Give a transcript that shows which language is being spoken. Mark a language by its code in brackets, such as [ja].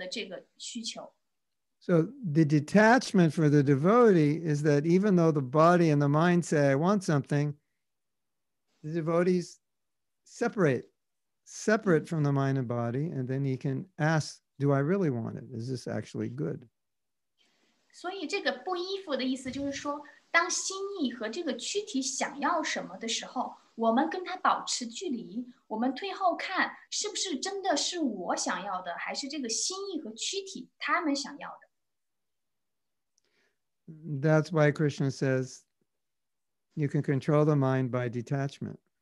[zh] 很多人都认为我是这个躯体，我是这个心意。所以当这个躯体和心意产生了一种需求的时候，所以我们就会认同于心意和需求的这个需求。 [en] So the detachment for the devotee is that even though the body and the mind say I want something, the devotees separate from the mind and body, and then he can ask, do I really want it? Is this actually good? [zh] 所以这个不依附的意思就是说，当心意和这个躯体想要什么的时候，我们跟它保持距离，我们退后看，是不是真的是我想要的，还是这个心意和躯体他们想要的。 [en] That's why Krishna says, you can control the mind by detachment.